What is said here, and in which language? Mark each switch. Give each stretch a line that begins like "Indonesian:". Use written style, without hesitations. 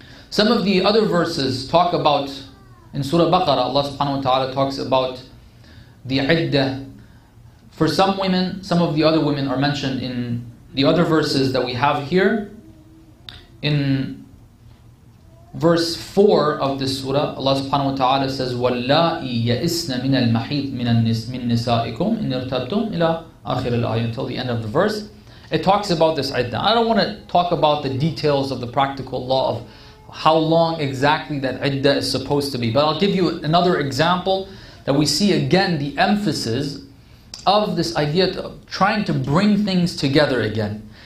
English: Some of the other verses talk about, in Surah Baqarah, Allah subhanahu wa ta'ala talks about the iddah. For some women, some of the other women are mentioned in the other verses that we have here. In verse 4 of this surah, Allah subhanahu wa ta'ala says,
Arabic: وَاللَّائِي يَئِسْنَ مِنَ الْمَحِيطِ مِنَ نِسَائِكُمْ إِنْ ارْتَبْتُمْ إِلَىٰ آخِرِ الْآيَةِ.
English: Until the end of the verse, it talks about this iddah. I don't want to talk about the details of the practical law of how long exactly that iddah is supposed to be. But I'll give you another example that we see again the emphasis of this idea of trying to bring things together again.